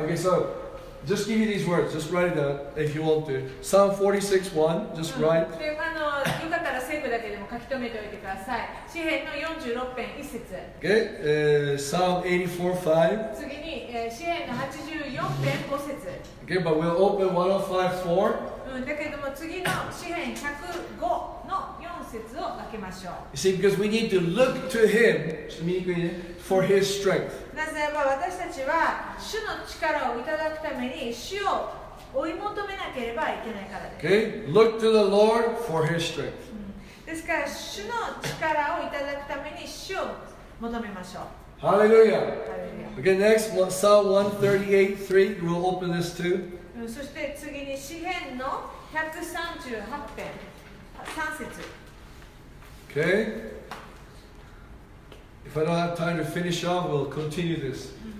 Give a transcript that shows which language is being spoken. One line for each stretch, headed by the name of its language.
English: Okay, so just give you these words, just write it down if you want to. Psalm 46:1, just write.
Japanese: よかったら聖句だけでも書き留めておいてください。詩篇の46編1節。
English: Okay, Psalm 84:5.
Japanese: 次に詩篇の84編5節。
English: Okay, but we'll open 105:4.
Japanese: だけども次の詩篇105の4節を開けましょう。
English: You see, because we need to look to him,
Japanese: ちょっと見にくいね、
English: for his strength.
Japanese: なぜなら私たちは主の力をいただくために主を追い求めなければいけないからです。
English: Okay, look to the Lord for his strength.
Japanese: ですから主の力をいただくために主を求めましょう。
English: ハレルヤ。Okay, next, Psalm 138:3, we'll open this too.
Japanese: そして次に詩篇の138編3節。
English: Okay, if I don't have time to finish off, we'll continue this.